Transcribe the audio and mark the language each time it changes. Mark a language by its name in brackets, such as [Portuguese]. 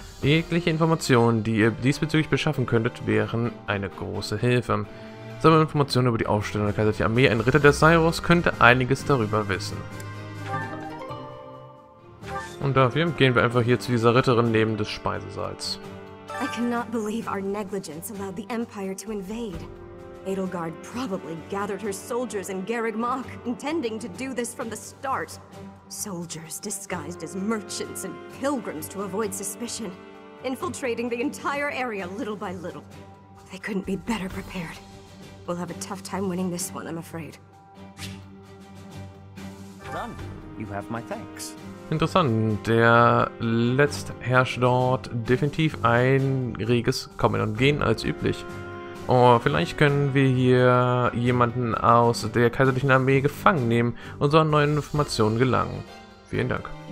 [German] Jegliche Informationen, die ihr diesbezüglich beschaffen könntet, wären eine große Hilfe. Sammeln Informationen über die Aufstellung der kaiserlichen Armee. Ein Ritter des Syros könnte einiges darüber wissen. Und dafür gehen wir einfach hier zu dieser Ritterin neben des Speisesaals. [English] I cannot believe our negligence allowed the Empire to invade. Edelgard probably gathered her soldiers in Garrick Mach, intending to do this from the start. Soldiers disguised as merchants and pilgrims to avoid suspicion, infiltrating the entire area little by little. They couldn't be better prepared. We'll have a tough time winning this one, I'm afraid. Done. You have my thanks. [German] Interessant, der lässt herrscht dort definitiv ein reges Kommen und Gehen als üblich. Oh, vielleicht können wir hier jemanden aus der kaiserlichen Armee gefangen nehmen und so an neue Informationen gelangen. Vielen Dank.